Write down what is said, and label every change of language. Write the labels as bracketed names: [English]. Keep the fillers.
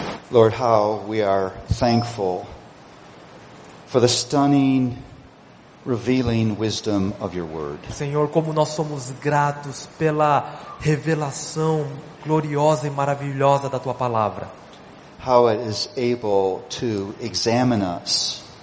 [Portuguese] Lord, how we are thankful for the stunning, revealing wisdom of your word. Senhor, como nós somos gratos pela revelação gloriosa e maravilhosa da tua palavra. [English] How it is able to examine us.